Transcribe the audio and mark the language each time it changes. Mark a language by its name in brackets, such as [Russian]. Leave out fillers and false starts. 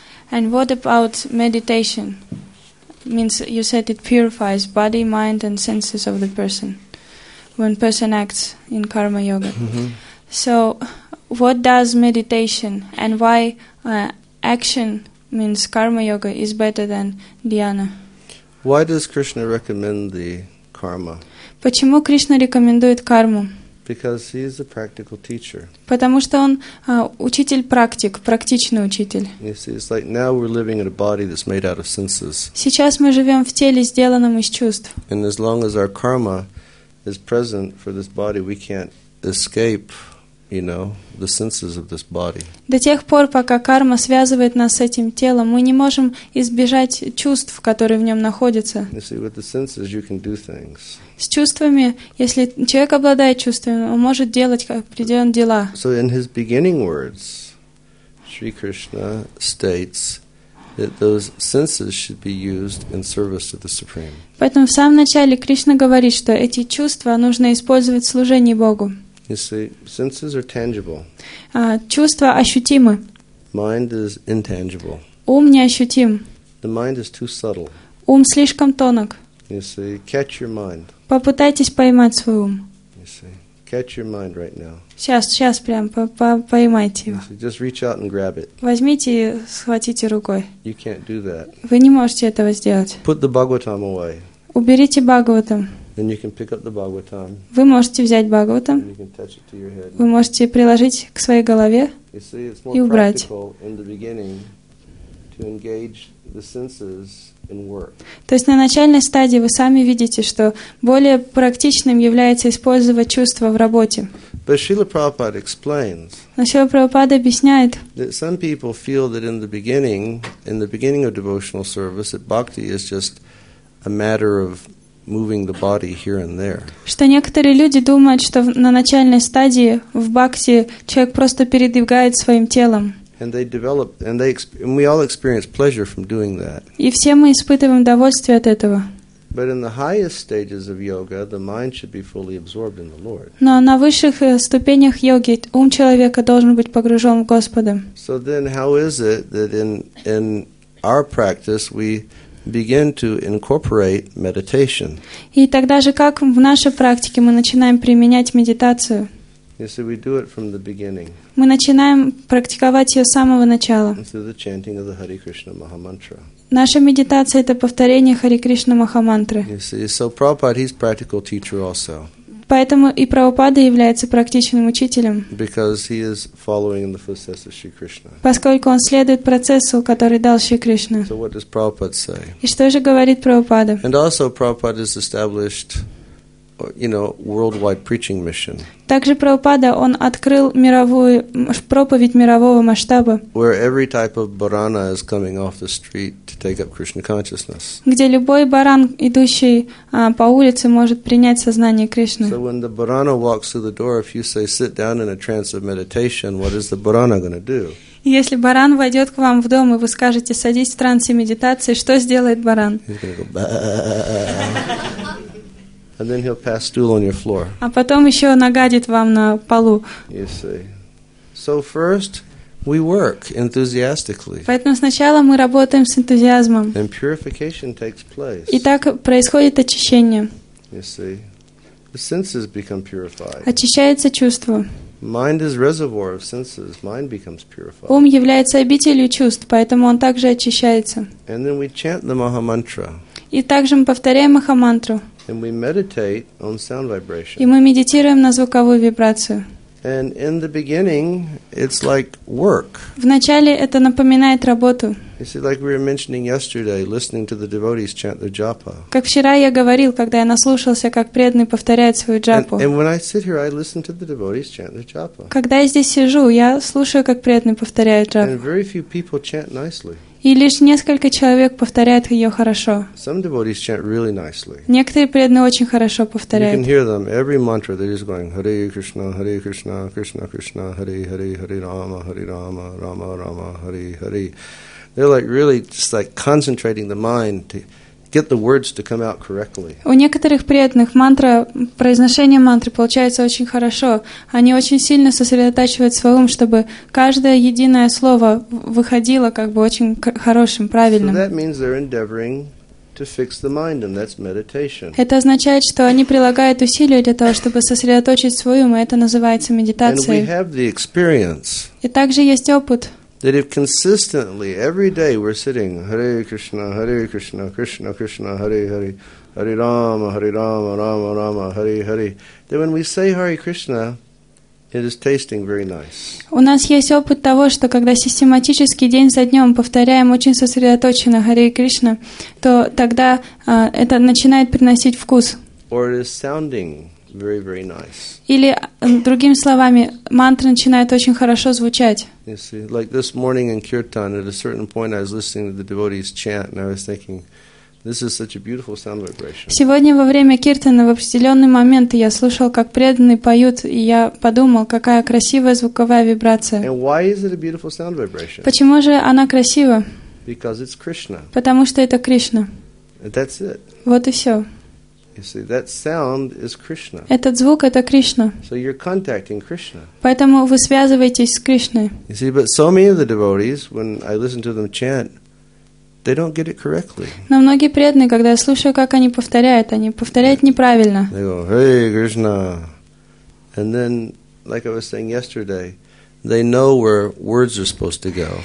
[English] And what about meditation? Means you said it purifies body, mind, and senses of the person when person acts in karma yoga. Mm-hmm. So what does meditation and why action means karma yoga is better than dhyana? Why does Krishna recommend the karma? [Russian] Почему Кришна рекомендует карму? [English] Because he is a practical teacher. [Russian] Потому что он учитель практик, практичный учитель. [English] You see, it's like now we're living in a body that's made out of senses. [Russian] Сейчас мы живем в теле, сделанном из чувств. [English] And as long as our karma is present for this body, we can't escape, you know, the senses of this body. [Russian] До тех пор, пока карма связывает нас с этим телом, мы не можем избежать чувств, которые в нем находятся. [English] You see, with the senses, you can do things. [Russian] С чувствами, если человек обладает чувствами, он может делать определенные дела. [English] So in his beginning words, Sri Krishna states that those senses should be used in service to the Supreme. [Russian] Поэтому в самом начале Кришна говорит, что эти чувства нужно использовать в служении Богу. [English] You see, senses are tangible. [Russian] Чувства ощутимы. [English] Mind is intangible. [Russian] Ум неощутим. [English] The mind is too subtle. [Russian] Ум слишком тонок. [English] You see, catch your mind. [Russian] Попытайтесь поймать свой ум. [English] You see, catch your mind right now. [Russian] Сейчас прям поймайте его. [English] You see, just reach out and grab it. [Russian] Возьмите и схватите рукой. [English] You can't do that. [Russian] Вы не можете этого сделать. [English] Put the Bhagavatam away. [Russian] Уберите Бхагаватам. [English] Then you can pick up the Bhagavatam. [Russian] Вы можете взять Бхагаватам. [English] You can touch it to your head. [Russian] Вы можете приложить к своей голове [English] you see, it's more [Russian] и убрать. [English] Practical in the beginning to engage the senses. [Russian] То есть на начальной стадии вы сами видите, что более практичным является использовать чувства в работе. [English] But Srila Prabhupada explains. [Russian] Но Шрила Прабхупада объясняет. [English] That some people feel that in the beginning of devotional service, that bhakti is just a matter of moving the body here and there. [Russian] Что некоторые люди думают, что на начальной стадии в бхакти человек просто передвигает своим телом. [English] And they develop, and we all experience pleasure from doing that. [Russian] И все мы испытываем удовольствие от этого. [English] But in the highest stages of yoga, the mind should be fully absorbed in the Lord. [Russian] Но на высших ступенях йоги ум человека должен быть погружен в Господа. [English] So then, how is it that in our practice we begin to incorporate meditation? [Russian] И тогда же как в нашей практике мы начинаем применять медитацию? [English] You see, we do it from the beginning. [Russian] Мы начинаем практиковать ее с самого начала. [English] Through the chanting of the Hare Krishna Maha Mantra. [Russian] Наша медитация это повторение Hare Krishna Maha Mantra. [English] You see, so Prabhupada, he's practical teacher also. [Russian] Поэтому и Прабхупада является практичным учителем. [English] Because he is following in the footsteps of Sri Krishna. [Russian] Поскольку он следует процессу, который дал Шри Кришна. [English] So what does Prabhupada say? [Russian] И что же говорит Прабхупада? [English] And also Prabhupada has established, you know, worldwide preaching mission. [Russian] Также Прабхупада, он открыл мировую проповедь мирового масштаба. [English] Where every type of barana is coming off the street to take up Krishna consciousness. [Russian] Где любой баран, идущий по улице, может принять сознание Кришны. [English] So when the barana walks through the door, if you say sit down in a trance of meditation, what is the barana going to do? [Russian] Если баран войдет к вам в дом и вы скажете садись в трансе медитации, что сделает баран? [English] He's going to go ba. And then he'll pass stool on your floor. [Russian] А потом еще нагадит вам на полу. [English] You see. So first we work enthusiastically. [Russian] Поэтому сначала мы работаем с энтузиазмом. [English] And purification takes place. [Russian] И так происходит очищение. [English] You see. The senses become purified. [Russian] Очищается чувство. [English] Mind is reservoir of senses. Mind becomes purified. [Russian] Ум является обителью чувств, поэтому он также очищается. [English] And then we chant the Maha Mantra. [Russian] И также мы повторяем Махамантру. [English] And we meditate on sound vibration. [Russian] И мы медитируем на звуковую вибрацию. [English] And in the beginning, it's like work. [Russian] Вначале это напоминает работу. [English] You see, like we were mentioning yesterday, listening to the devotees chant their japa. [Russian] Как вчера я говорил, когда я наслушался, как преданный повторяет свою джапу. [English] And when I sit here, I listen to the devotees chant their japa. [Russian] Когда я здесь сижу, я слушаю, как преданный повторяет джапу. [English] And very few people chant nicely. [Russian] И лишь несколько человек повторяют ее хорошо. [English] Some devotees chant really nicely. [Russian] Некоторые преданные очень хорошо повторяют. [English] You can hear them every mantra. They're just going Hare Krishna, Krishna Krishna, Hare Hare, Hare Rama, Hare Rama, Rama Rama, Hare Hare. They're like really just like concentrating the mind to get the words to come out correctly. [Russian] У некоторых преданных мантра, произношение мантры получается очень хорошо. Они очень сильно сосредотачивают свой ум, чтобы каждое единое слово выходило как бы очень хорошим, правильным. [English] So that means they're endeavoring to fix the mind, and that's meditation. [Russian] Это означает, что они прилагают усилия для того, чтобы сосредоточить свой ум, и это называется медитацией. [English] And we have the experience. [Russian] И также есть опыт. [English] That if consistently every day we're sitting Hare Krishna, Krishna Krishna, Hare Hare, Hare Rama, Rama Rama, Hare Hare, then when we say Hare Krishna, it is tasting very nice. [Russian] У нас есть опыт того, что когда систематически день за днем повторяем очень сосредоточенно Hare Krishna, то тогда это начинает приносить вкус. [English] Or it is sounding very, very nice. [Russian] Или, другими словами, мантра начинает очень хорошо звучать. [English] You see, like this morning in Kirtan, at a certain point I was listening to the devotees chant and I was thinking, this is such a beautiful sound vibration. [Russian] Сегодня во время Киртана в определенный момент я слушал, как преданные поют, и я подумал, какая красивая звуковая вибрация. [English] And why is it a beautiful sound vibration? [Russian] Почему же она красива? [English] Because it's Krishna. [Russian] Потому что это Кришна. [English] That's it. [Russian] Вот и все. [English] You see, that sound is Krishna. [Russian] Этот звук — это Кришна. [English] So you're contacting Krishna. [Russian] Поэтому вы связываетесь с Кришной. [English] You see, but so many of the devotees, when I listen to them chant, they don't get it correctly. [Russian] Но многие преданные, когда я слушаю, как они повторяют неправильно. [English] They go, "Hey, Krishna," and then, like I was saying yesterday, they know where words are supposed to go.